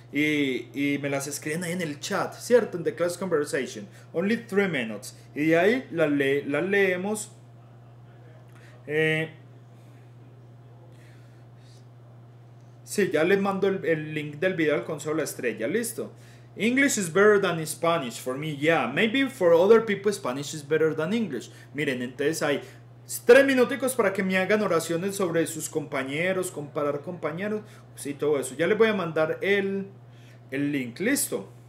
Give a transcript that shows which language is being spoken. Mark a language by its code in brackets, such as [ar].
[es] Y me las escriben ahí en el chat, ¿cierto? En The Class Conversation. [en] Only 3 minutes. [es] Y de ahí las leemos. Sí, ya les mando el link del video al Consejo de la Estrella, ¿listo? [en] English is better than Spanish for me, yeah. Maybe for other people Spanish is better than English. [es] Miren, entonces hay 3 minuticos para que me hagan oraciones sobre sus compañeros, comparar compañeros, sí, todo eso. Ya les voy a mandar el link, listo.